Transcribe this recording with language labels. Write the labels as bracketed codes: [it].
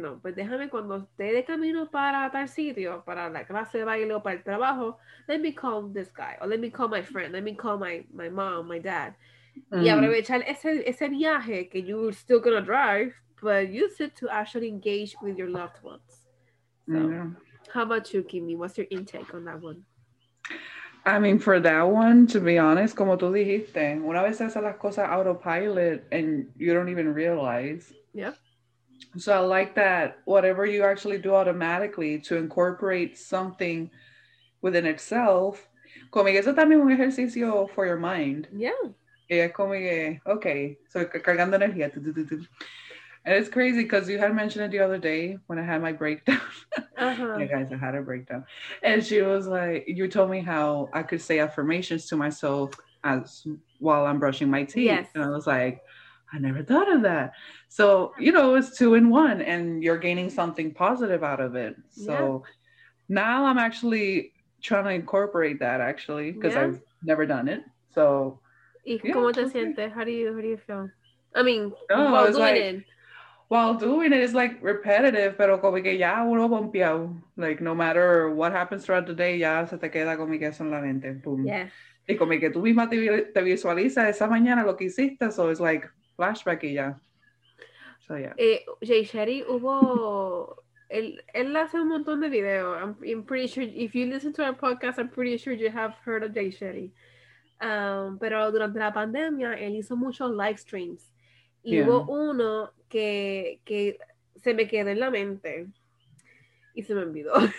[es] No, pues déjame cuando esté de camino para tal sitio, para la clase de baile o para el trabajo, [en] let me call this guy, or let me call my friend, let me call my mom, my dad. Mm. [es] Y aprovechar ese viaje que [en] you're still gonna drive, but use it to actually engage with your loved ones. So, How about you, Kimmy? What's your intake on that one? I mean, for that one, to be honest, [es] como tú dijiste, una vez haces las cosas [en] autopilot and you don't even realize. Yeah. So I like that whatever you actually do automatically to incorporate something within itself, [es] como que eso también [en] un ejercicio for your mind. Yeah. [es] Y es como que, okay, so cargando energía. [en] And it's crazy because you had mentioned it the other day when I had my breakdown. Uh-huh. Yeah, guys, I had a breakdown. And she was like, you told me how I could say affirmations to myself as while I'm brushing my teeth. Yes. And I was like, I never thought of that. So, you know, it's two in one and you're gaining something positive out of it. So yeah. Now I'm actually trying to incorporate that, actually, because I've never done it. So, [es] ¿y cómo te sientes? [en] How do you feel? I mean, no, while doing it. While doing it, it's like repetitive, [es] pero como que ya uno bompeado. [en] Like, no matter what happens throughout the day, [es] ya se te queda como que eso en la mente. [en] Boom. Yeah. [es] Y como que tú misma te visualizas esa mañana lo que hiciste, [en] so it's like flashback [es] y ya. So, yeah. Jay Shetty, hubo... Él hace un montón de videos. [en] I'm pretty sure, if you listen to our podcast, I'm pretty sure you have heard of Jay Shetty. [es] Pero durante la pandemia, él hizo muchos live streams. Y hubo uno que se me quedó en la mente y se me olvidó.